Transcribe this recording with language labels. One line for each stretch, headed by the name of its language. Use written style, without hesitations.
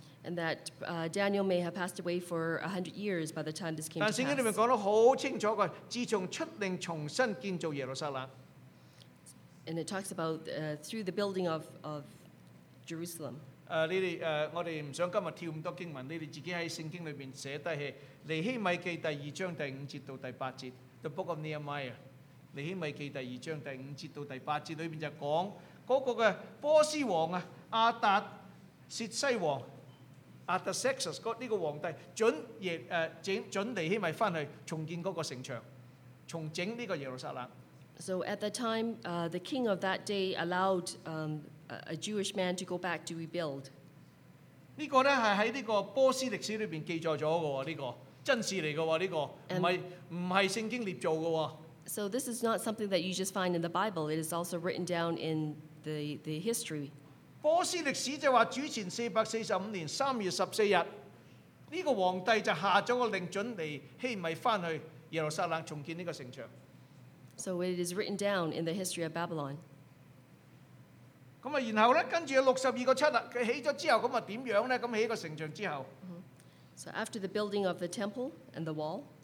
English: And that Daniel may have passed away for 100 years by the time this came to pass.
Cantonese: 但聖經裡面講得好清楚嘅，自從出令重新建造耶路撒冷。
English: And it talks about through the building of Jerusalem.
Cantonese: 你哋我哋唔想今日跳咁多經文，你哋自己喺聖經裡面寫低係尼希米記第2章第5節到第8節，The Book of Nehemiah, 尼希米記第二章第五節到第八節裏面就講嗰個嘅波斯王啊，亞達薛西王亞達薛西斯呢個皇帝準耶準尼希米翻去重建嗰個城牆，重整呢個耶路撒冷。
English: So at the time, the king of that day allowed a Jewish man to go back to rebuild.
Cantonese: 呢個咧係喺呢個波斯歷史裏邊記載咗嘅喎，呢個真事嚟嘅喎，呢個唔係聖經捏造嘅喎。
English: So this is not something that you just find in the Bible. It is also written down in the history.
Cantonese: 波斯歷史就話主前445年3月14日，呢個皇帝就下咗個令準尼希米翻去耶路撒冷重建呢個城牆。
English: So it is written down in the history of Babylon.
Cantonese: 咁啊，然後咧，跟住62:7啦，佢起咗之後，咁啊點樣咧？咁起個城牆之後。
English: So after the building of the temple and the wall.